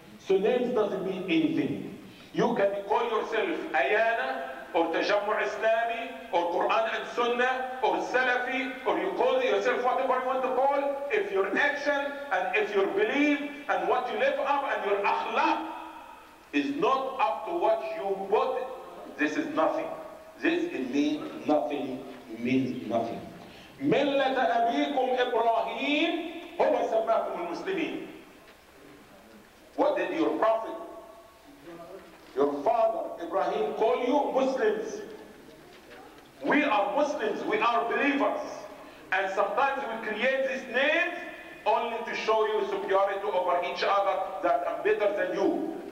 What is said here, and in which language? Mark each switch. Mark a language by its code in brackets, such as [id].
[en] So names doesn't mean anything. You can call yourself Ayana or Tajammu Islami or Quran and Sunnah or Salafi, or you call yourself whatever you want to call, if your action and if your belief and what you live up and your akhlaq is not up to what you put, this is nothing. This indeed nothing means nothing. [ar] ملة أبيكم إبراهيم هو سماكم المسلمين. [en] What did your prophet, your father Ibrahim call you? Muslims. We are Muslims, we are believers. And sometimes we create these names only to show you superiority over each other that I'm better than you.